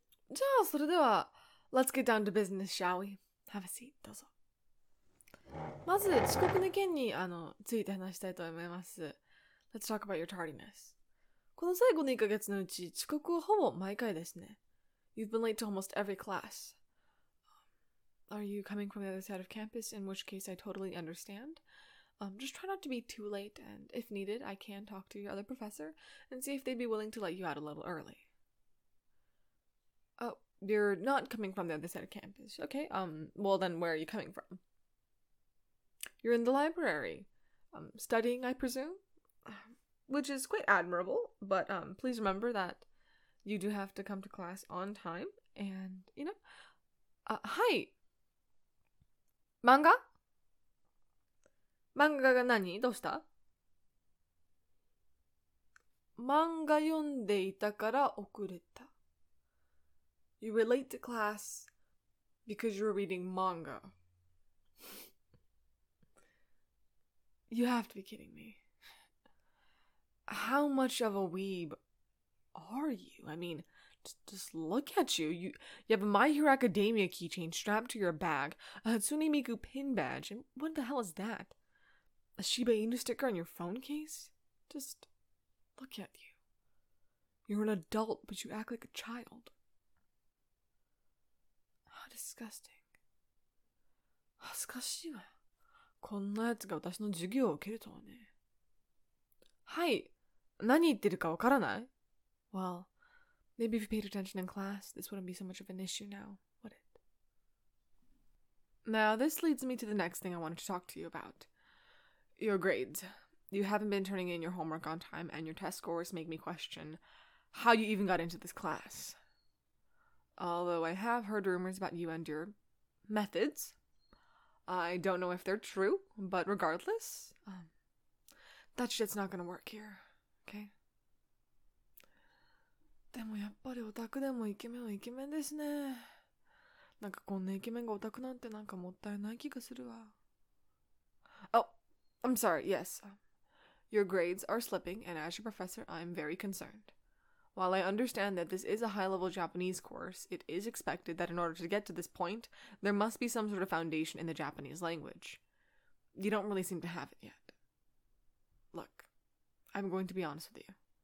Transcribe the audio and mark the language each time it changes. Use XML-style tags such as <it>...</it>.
<ja>じゃあ、それでは、</ja> <en>Let's get down to business, shall we? Have a seat,</en> <ja>どうぞ。まず、遅刻の件について話したいと思います。</ja> <en>Let's talk about your tardiness.</en> <ja>この最後の1ヶ月のうち、遅刻はほぼ毎回ですね。</ja> <en>You've been late to almost every class. Are you coming from the other side of campus? In which case, I totally understand. Just try not to be too late, and if needed, I can talk to your other professor and see if they'd be willing to let you out a little early. Oh, you're not coming from the other side of campus. Okay, well then where are you coming from? You're in the library. Studying, I presume? Which is quite admirable, but please remember that you do have to come to class on time, and you know. Hi! Manga?</en> <ja>漫画が何？どうした？漫画読んでいたから遅れた。</ja> <en>You were late to class because you were reading manga. You have to be kidding me. How much of a weeb are you? I mean, just look at you. You have a My Hero Academia keychain strapped to your bag, a Hatsune Miku pin badge, and what the hell is that? A Shiba Inu sticker on your phone case? Just look at you. You're an adult, but you act like a child. disgusting.</en> <ja>恥ずかしいわ。こんなやつが私の授業を受けるとはね。はい。何言ってるかわからない?</ja> <en>Well, maybe if you paid attention in class, this wouldn't be so much of an issue now, would it? Now, this leads me to the next thing I wanted to talk to you about. Your grades. You haven't been turning in your homework on time, and your test scores make me question how you even got into this class. Although I have heard rumors about you and your methods, I don't know if they're true, but regardless, that shit's not gonna work here, okay?</en> <ja>でもやっぱりオタクでもイケメンはイケメンですね。なんかこんなイケメンがオタクなんてなんかもったいない気がするわ。</ja> <en>Oh, I'm sorry, yes. Your grades are slipping, and as your professor, I'm very concerned. While I understand that this is a high-level Japanese course, it is expected that in order to get to this point, there must be some sort of foundation in the Japanese language. You don't really seem to have it yet. Look, I'm going to be honest with you.</en>